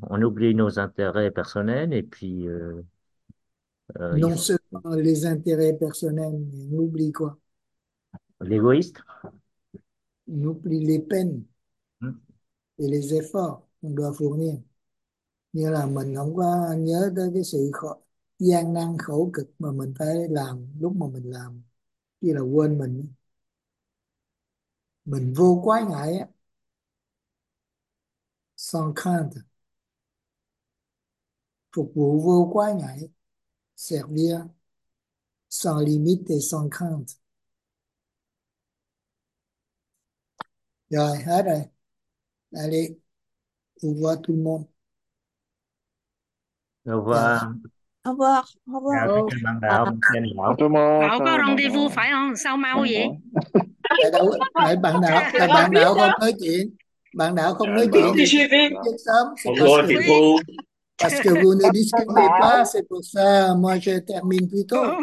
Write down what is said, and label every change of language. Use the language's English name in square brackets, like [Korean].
[French] On oublie nos intérêts personnels et puis Non seulement les intérêts personnels, mais on oublie quoi? l'égoïste. On oublie les peines et les efforts qu'on doit fournir. [Vietnamese] Nghĩa là mình không có nhớ tới cái sự gian nan khổ cực mà mình phải làm lúc mà mình làm, như là quên mình. mình vô quái ngại á, [French] sans crainte, [Vietnamese] phục vụ vô quái ngại, [French] servir sans limite et sans crainte. [Vietnamese] Rồi, hết rồi. [French] Allez, au revoir tout le monde. Au [Vietnamese] Rồi. [French] revoir. Au revoir, au revoir. [Vietnamese] Chào tất cả bạn đạo, mình xin chào [French] tout le monde. [Vietnamese] Có rendezvous phải không? Sao mau vậy? Tại đâu, tại bạn đạo không nói chuyện. Bạn đạo không nói chuyện. Đi chơi đi. Chết sớm. [French] Oui. Parce que vous ne discutez pas, c'est pour ça, moi je termine plus tôt.